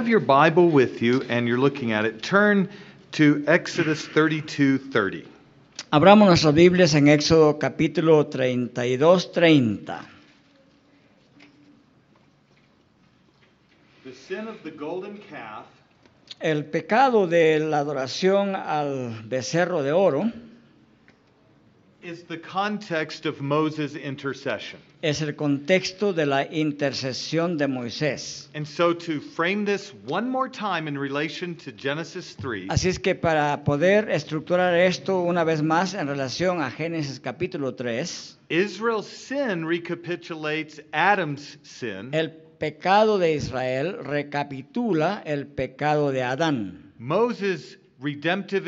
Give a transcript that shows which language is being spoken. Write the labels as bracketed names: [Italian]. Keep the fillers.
[English] have your Bible with you and you're looking at it, turn to Exodus 32:30. [Spanish] Abramos nuestras Biblias en Éxodo capítulo 32:30. [English] The sin of the golden calf, [Spanish] el pecado de la adoración al becerro de oro, [English] is the context of Moses' intercession. [Spanish] Es el contexto de la intercesión de Moisés. [English] And so to frame this one more time in relation to Genesis 3. [Spanish] Así es que para poder estructurar esto una vez más en relación a Génesis capítulo 3. [English] Israel's sin recapitulates Adam's sin. [Spanish] El pecado de Israel recapitula el pecado de Adán. [English] Moses' redemptive